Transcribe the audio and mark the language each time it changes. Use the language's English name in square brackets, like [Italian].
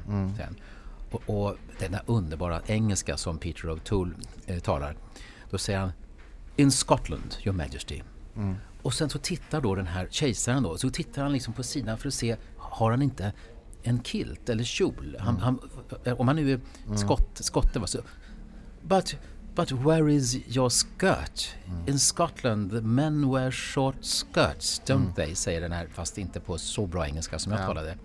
[Swedish] Mm. Sen. Och denna underbara engelska som Peter O'Toole talar, då säger han [English] in Scotland, your majesty. [Swedish] Mm. Och sen så tittar då den här kejsaren då, så tittar han liksom på sidan för att se, har han inte en kilt eller kjol? Han, mm. han, om han nu är skotte, var så [English] but where is your skirt? Mm. In Scotland, the men wear short skirts, don't they? [Swedish] Säger den här, fast inte på så bra engelska som jag talade.